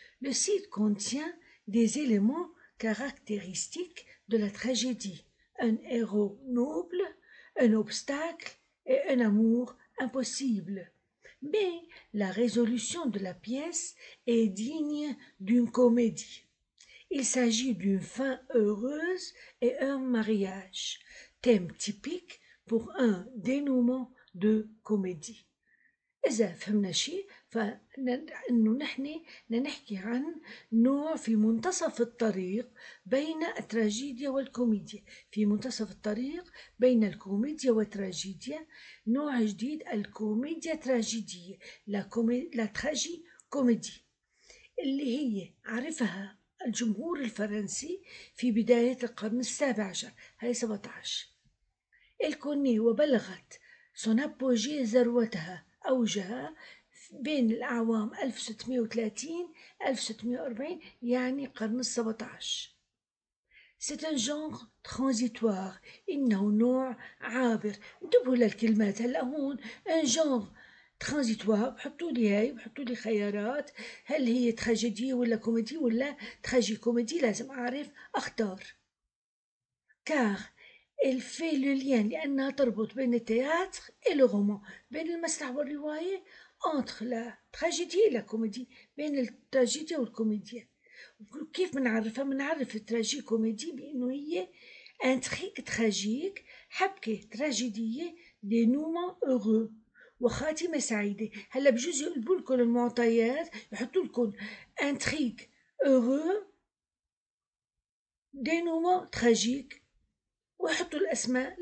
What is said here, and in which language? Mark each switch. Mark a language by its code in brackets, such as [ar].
[fr] Le site contient des éléments caractéristiques de la tragédie, un héros noble, un obstacle et un amour impossible. Mais la résolution de la pièce est digne d'une comédie. Il s'agit d'une fin heureuse et un mariage. Thème typique pour un dénouement de comédie. [ar] إذا فهمنا شيء فإنه نحن نحكي عن نوع في منتصف الطريق بين التراجيديا والكوميديا، في منتصف الطريق بين الكوميديا والتراجيديا، نوع جديد الكوميديا تراجيدية، لا تراجي كوميدي، اللي هي عرفها الجمهور الفرنسي في بداية القرن السابع عشر، هاي 17. [fr] Elle connaît ou [ar] بلغت [fr] son apogée [ar] ذروتها أوجها بين الأعوام 1630-1640، يعني قرن 17. [fr] C'est un genre transitoire. [ar] إنه نوع عابر. انتبهوا للكلمات هلا هون. [fr] Un genre transitoire. [ar] بحطوا لي هاي، بحطوا لي خيارات. هل هي تراجيدي ولا كوميدي ولا تراجيكوميدي؟ لازم أعرف أختار. [fr] Car elle fait le lien, [ar] لأنها تربط بين التياتر [fr] et le roman، [ar] بين المسرح والرواية، [fr] entre la tragédie et la comédie، [ar] بين التراجيديا والكوميديا. كيف منعرفها؟ منعرف التراجي كوميدي بأنه هي [fr] intrigue tragique، [ar] حبكة تراجيدية، [fr] dénouement heureux، [ar] وخاتمة سعيدة. هلا بجوز يقلبوا لكم المعطيات، يحطوا لكم [fr] intrigue heureux، dénouement tragique، [ar] ويحطوا الأسماء.